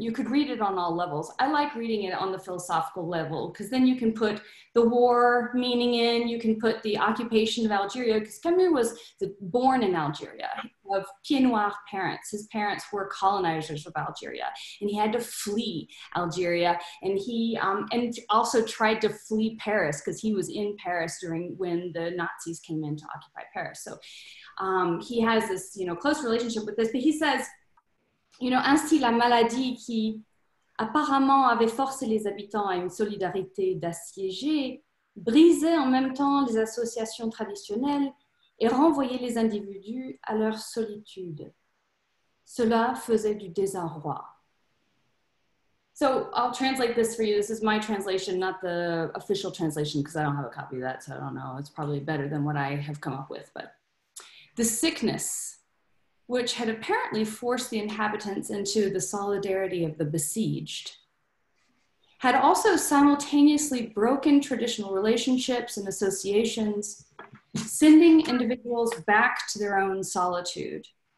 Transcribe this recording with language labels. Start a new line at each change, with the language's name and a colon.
English: You could read it on all levels. I like reading it on the philosophical level, because then you can put the war meaning in, you can put the occupation of Algeria, because Camus was born in Algeria, of pied-noir parents. His parents were colonizers of Algeria, and he had to flee Algeria, and he and also tried to flee Paris, because he was in Paris when the Nazis came in to occupy Paris. So he has this, you know,
French: close relationship with this, but he says, you know, ainsi la maladie qui apparemment avait forcé les habitants à une solidarité d'assiégés brisait en même temps les associations traditionnelles et renvoyait les individus à leur solitude. Cela faisait du désarroi.
English: So I'll translate this for you. This is my translation, not the official translation, because I don't have a copy of that, so I don't know. It's probably better than what I have come up with, but the sickness, which had apparently forced the inhabitants into the solidarity of the besieged, had also simultaneously broken traditional relationships and associations, sending individuals back to their own solitude.